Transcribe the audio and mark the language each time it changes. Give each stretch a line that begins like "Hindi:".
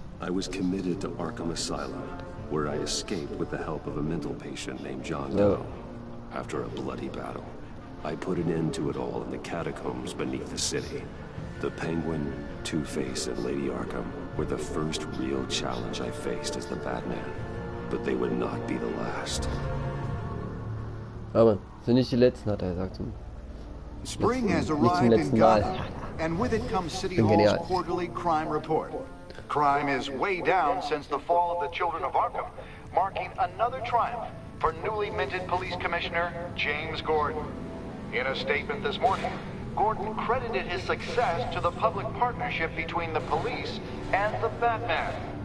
English: I was committed to Arkham Asylum, where I escaped with the help of a mental patient named John Doe. After a bloody battle, I put an end to it all in the catacombs beneath the city. The Penguin, Two-Face, and Lady Arkham were the first real challenge I faced as the Batman, but they would not be the last.
German: Aber sind nicht die letzten, hat gesagt.
English: Spring has arrived in Gotham, and with it comes City Hall's quarterly crime report. Crime is way down since the fall of the Children of Arkham, marking another triumph for newly minted Police Commissioner James Gordon. In a statement this morning, Gordon credited his success to the public partnership between the police and the Batman.